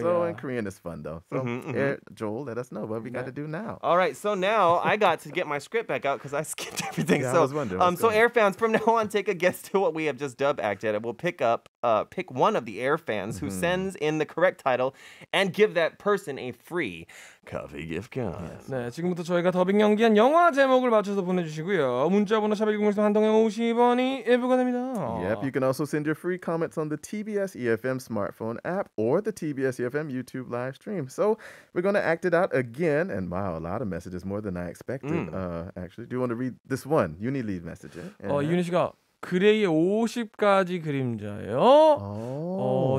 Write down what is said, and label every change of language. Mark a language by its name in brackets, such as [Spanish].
[English] Oh, so yeah. in Korean, it's fun though. So Joel, let us know what we got to do now. All right. So now I got to get my script back out because I skipped everything. Yeah, so I was wondering. So air fans, from now on, take a guess to what we have just dub acted. And we'll pick up, pick one of the air fans who sends in the correct title and give that person a free coffee gift card. Yes. [Korean] 네, 지금부터 저희가 더빙 연기한 영화 제목을 맞춰서 보내주시고요. 문자번호 샵1013 한동영 50원이 예부가 됩니다. [English] Yep, you can also send your free comments on the TBS EFM smartphone app or the TBS EFM YouTube live stream. So we're going to act it out again. And wow, a lot of messages, more than I expected. Actually, do you want to read this one? You need lead message. Yeah? [Korean] 유니 씨가 그레이의 50가지 그림자예요.